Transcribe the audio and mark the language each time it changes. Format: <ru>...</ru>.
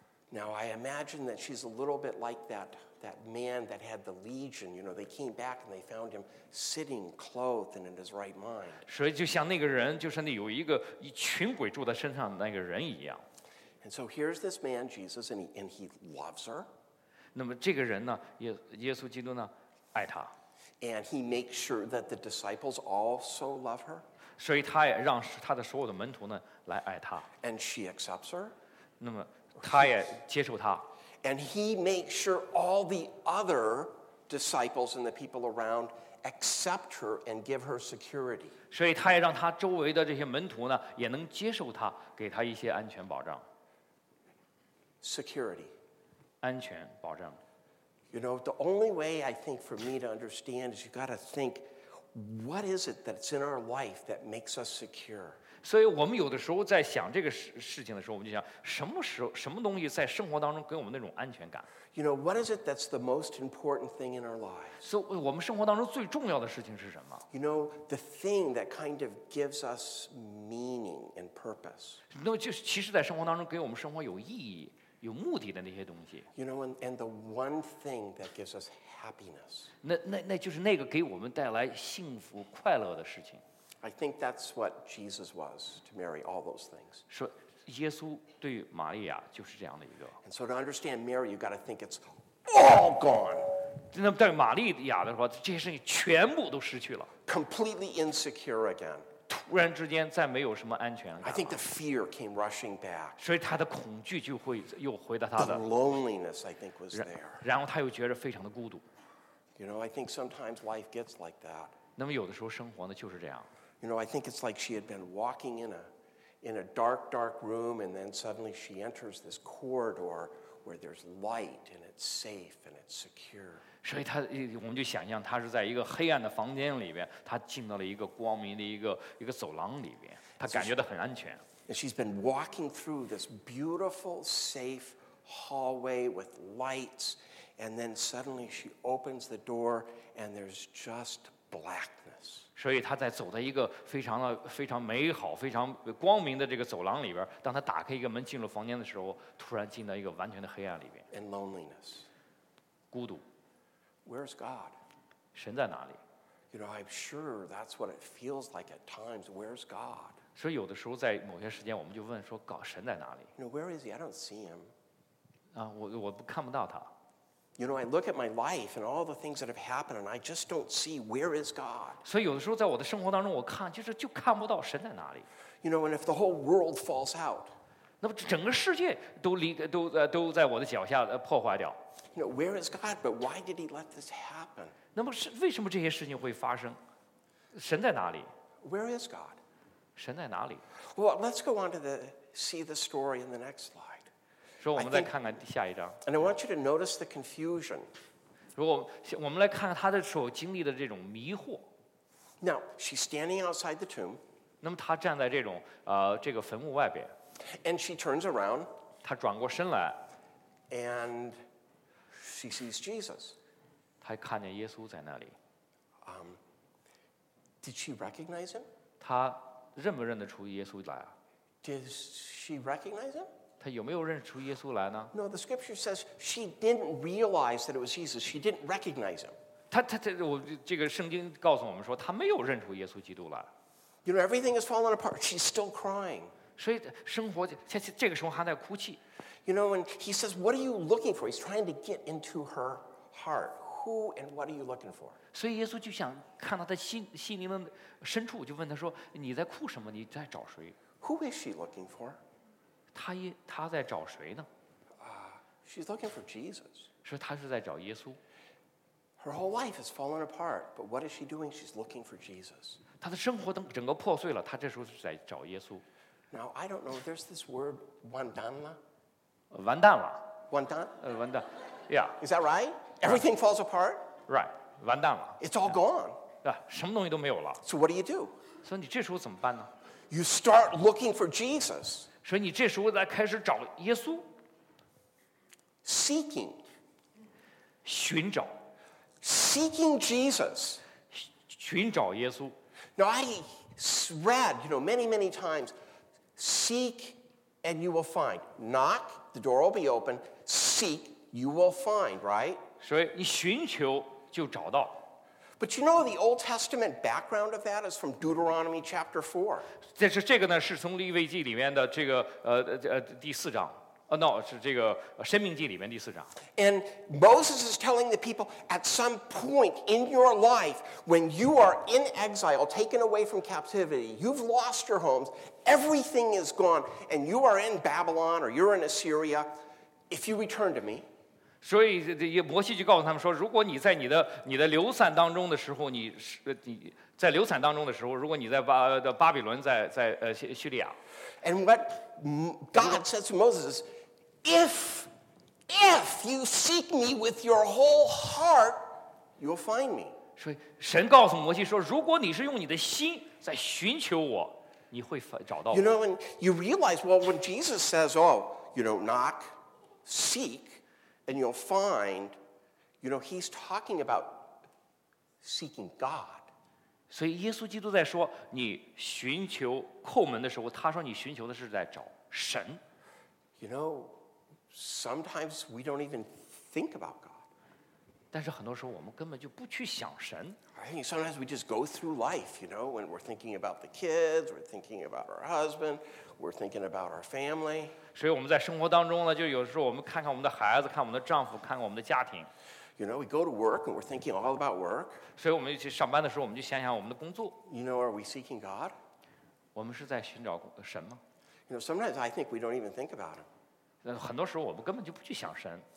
<en>Now I imagine that she's a little bit like that man that had the legion. You know, they came back and they found him sitting clothed and in his right mind.</en> <zh>所以就像那个人，就是那有一个一群鬼住在身上的那个人一样。</zh> <en>And so here's this man, Jesus, and he loves her.</en> <zh>那么这个人呢，耶稣基督呢，爱她。</zh> <en>And he makes sure that the disciples also love her.</en> <zh>所以他也让他的所有的门徒呢来爱他。</zh> <en>And she accepts her.</en> <zh>那么他也接受他。</zh> <en>And he makes sure all the other disciples and the people around accept her and give her security.</en> <zh>所以他也让他周围的这些门徒呢也能接受他，给他一些安全保障。</zh> <en>Security.</en> <zh>安全保障。</zh> <en>You know, the only way I think for me to understand is you got to think, what is it that's in our life that makes us secure?</en> <zh>所以我们有的时候在想这个事情的时候，我们就想什么东西在生活当中给我们那种安全感？</zh> <en>You know, what is it that's the most important thing in our lives?</en> <zh>所以我们生活当中最重要的事情是什么？</zh> <en>You know, the thing that kind of gives us meaning and purpose.</en> <zh>那就其实在生活当中给我们生活有意义。有目的的那些东西。</zh> <en>You know, and the one thing that gives us happiness.</en> <zh>那就是那个给我们带来幸福快乐的事情。</zh> <en>I think that's what Jesus was to Mary, all those things.</en> <zh>说耶稣对玛利亚就是这样的一个。</zh> <en>And so to understand Mary, you've got to think it's all gone.</en> <zh>那对玛利亚的话，这些事情全部都失去了。</zh> <en>Completely insecure again.</en> <zh>突然之间再没有什么安全感。</zh> <en>I think the fear came rushing back.</en> <zh>所以他的恐惧就会又回到他的。</zh> <en>The loneliness, I think, was there.</en> <zh>然后他又觉得非常的孤独。</zh> <en>You know, I think sometimes life gets like that.</en> <zh>那么有的时候生活呢就是这样。</zh> <en>You know, I think it's like she had been walking in a dark, dark room, and then suddenly she enters this corridor where there's light and it's safe and it's secure.</en> <zh>所以他，我们就想象他是在一个黑暗的房间里边，他进到了一个光明的一个走廊里边，他感觉到很安全。</zh> <en>And she's been walking through this beautiful, safe hallway with lights, and then suddenly she opens the door, and there's just blackness.</en> <zh>所以他在走在一个非常美好、非常光明的这个走廊里边，当他打开一个门进入房间的时候，突然进到一个完全的黑暗里边。</zh> <en>And loneliness.</en> <zh>孤独。</zh> <en>Where's God?</en> <zh>神在哪里？</zh> <en>You know, I'm sure that's what it feels like at times. Where's God?</en> <zh>所以有的时候在某些时间，我们就问说：“搞神在哪里？”</zh> <en>You know, where is he? I don't see him.</en> <zh>啊，我看不到他。</zh> <en>You know, I look at my life and all the things that have happened, and I just don't see where is God.</en> <zh>所以有的时候在我的生活当中，我看就是就看不到神在哪里。</zh> <en>You know, and if the whole world falls out,</en> <zh>那么整个世界都在我的脚下破坏掉。</zh> <en>You know, where is God? But why did he let this happen?</en> <zh>那么是为什么这些事情会发生？神在哪里？</zh> <en>Where is God?</en> <zh>神在哪里？</zh> <en>Well, let's go on to see the story in the next slide.</en> <zh>说我们再看看下一章。</zh> <en>And I want you to notice the confusion.</en> <zh>如果我们来看看他的所经历的这种迷惑。</zh> <en>Now, she's standing outside the tomb.</en> <zh>那么她站在这个坟墓外边。</zh> <en>And she turns around.</en> <zh>她转过身来。</zh> <en>And... She sees Jesus.</en> <zh>她看见耶稣在那里。</zh> <en>Did she recognize him?</en> <zh>她认不认得出耶稣来啊？</zh> <en>Did she recognize him?</en> <zh>她有没有认出耶稣来呢？</zh> <en>No, the scripture says she didn't realize that it was Jesus. She didn't recognize him.</en> <zh>她我这个圣经告诉我们说，她没有认出耶稣基督来。</zh> <en>You know, everything is falling apart. She's still crying.</en> <zh>所以生活这个时候还在哭泣。</zh> <en>You know, and he says, what are you looking for? He's trying to get into her heart. Who and what are you looking for?</en> <zh>所以耶稣就想看到她心灵的深处，就问她说，你在哭什么？你在找谁？</zh> <en>Who is she looking for?</en> <zh>她在找谁呢？</zh> <en>She's looking for Jesus.</en> <zh>说她是在找耶稣。</zh> <en>Her whole life has fallen apart, but what is she doing? She's looking for Jesus.</en> <zh>她的生活整个破碎了，她这时候是在找耶稣。</zh> <en>Now, I don't know, there's this word, wandanla.</en> <zh>完蛋了。完蛋。完蛋。Yeah.</zh> <en>Is that right? Everything right. falls apart?</en> <zh>Right. 完蛋了。</zh> <en>It's all gone.</en> <zh>Yeah. 什么东西都没有了。</zh> <en>So what do you do?</en> <zh>所以你这时候怎么办呢？</zh> <en>You start looking for Jesus.</en> <zh>所以你这时候来开始找耶稣。</zh> <en>Seeking.</en> <zh>寻找。</zh> <en>Seeking Jesus.</en> <zh>寻找耶稣。</zh> <en>Now I read, you know, many, many times, seek and you will find. Knock. The door will be open. Seek, you will find, right?</en> <zh>所以你寻求就找到。</zh> <en>But you know the Old Testament background of that is from Deuteronomy chapter 4.</en> <zh>但是这个呢，是从利未记里面的这个第四章。 No, 是这个申命记里面第四章。</zh> <en>And Moses is telling the people, at some point in your life, when you are in exile, taken away from captivity, you've lost your homes, everything is gone, and you are in Babylon or you're in Assyria, if you return to me.</en> <zh>所以摩西就告诉他们说，如果你在你的流散当中的时候，你在流散当中的时候，如果你在巴比伦在叙利亚。</zh> <en>And what God says to Moses, if you seek me with your whole heart, you'll find me.</en> <zh>所以神告诉摩西说，如果你是用你的心在寻求我，你会找到我。</zh> <en>You know, and you realize, well, when Jesus says, oh, you know, knock, seek, and you'll find, you know, he's talking about seeking God.</en> <zh>所以耶稣基督在说，你寻求叩门的时候，他说你寻求的是在找神。</zh> <en>You know, Sometimes we don't even think about God.</en> <zh>但是很多时候我们根本就不去想神。</zh> <en>Sometimes we just go through life, you know, when we're thinking about the kids, we're thinking about our husband, we're thinking about our family.</en> <zh>所以我们在生活当中呢，就有时候我们看看我们的孩子，看我们的丈夫，看看我们的家庭。</zh> <en>You know, we go to work and we're thinking all about work.</en> <zh>所以我们去上班的时候，我们就想想我们的工作。</zh> <en>You know, are we seeking God?</en> <zh>我们是在寻找神吗？</zh> <en>You know, sometimes I think we don't even think about him.</en> <zh>很多时候我们根本就不去想神。</zh>